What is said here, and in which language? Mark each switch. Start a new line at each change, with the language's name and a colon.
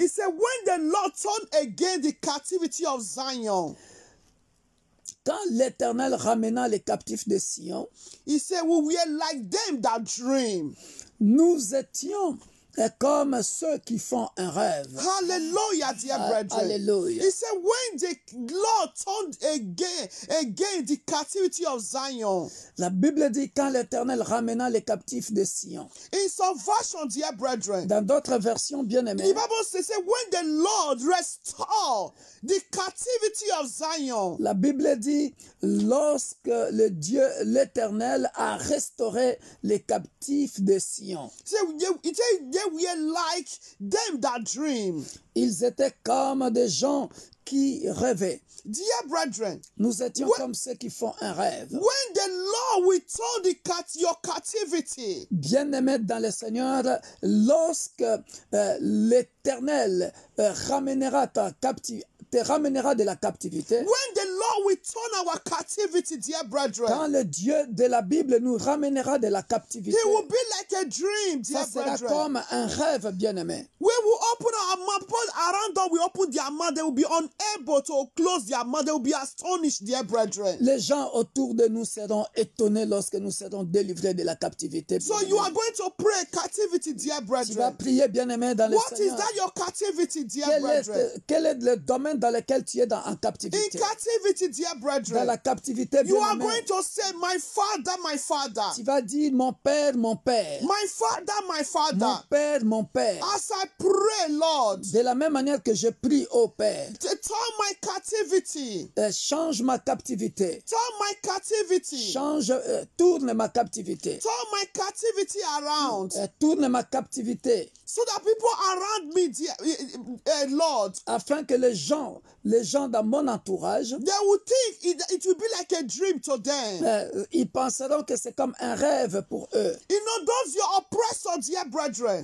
English: It says when the Lord turned again the captivity of Zion.
French: Quand l'Éternel ramena les captifs de Sion.
English: He said we were like them that dream.
French: Nous étions comme ceux qui font un rêve.
English: Hallelujah, dear brethren. Hallelujah. He said when the Lord turned again the captivity of Zion.
French: La Bible dit quand l'Éternel ramena les captifs de Sion.
English: In some versions, dear brethren.
French: Dans d'autres versions, bien-aimés.
English: The Bible says when the Lord restored the captivity of Zion.
French: La Bible dit lorsque le Dieu l'Éternel a restauré les captifs de Sion.
English: We are like them that dream.
French: Ils étaient comme des gens qui rêvaient.
English: Dear brethren,
French: nous étions comme ceux qui font un rêve.
English: When the Lord returned your captivity.
French: Bien-aimés dans le Seigneur, lorsque l'Éternel ramènera ta captivité. Te ramènera de la captivité.
English: When the Lord return our captivity, dear brethren.
French: Quand le Dieu de la Bible nous ramènera de la captivité.
English: It will be like a dream, dear brethren.
French: Ça sera
English: brethren.
French: Comme un rêve, bien-aimé.
English: We will open our mouth. Paul around them, we open their mouth. They will be unable to close their mouth. They will be astonished, dear brethren.
French: Les gens autour de nous seront étonnés lorsque nous serons délivrés de la captivité.
English: So you are going to pray captivity, dear brethren.
French: Tu vas prier, bien-aimé, dans
English: what
French: le Seigneur.
English: What is that your captivity, dear
French: quel
English: brethren?
French: Quel est le domaine dans lequel tu es en captivité.
English: In captivity, dear brethren.
French: Dans la captivité,
English: you are going to say, my father, my father.
French: Tu vas dire, mon père, mon père.
English: My father, my father.
French: Mon père, mon père.
English: As I pray, Lord.
French: De la même manière que je prie au père.
English: To turn my captivity.
French: Change ma captivité.
English: Turn my captivity.
French: Change, tourne ma captivité.
English: Turn my captivity around.
French: Tourne ma captivité.
English: So that people around me, dear Lord.
French: Afin que les gens dans mon entourage,
English: they will think it will be like a dream to them.
French: Ils penseront que c'est comme un rêve pour eux.
English: You know those your oppressors, dear brethren.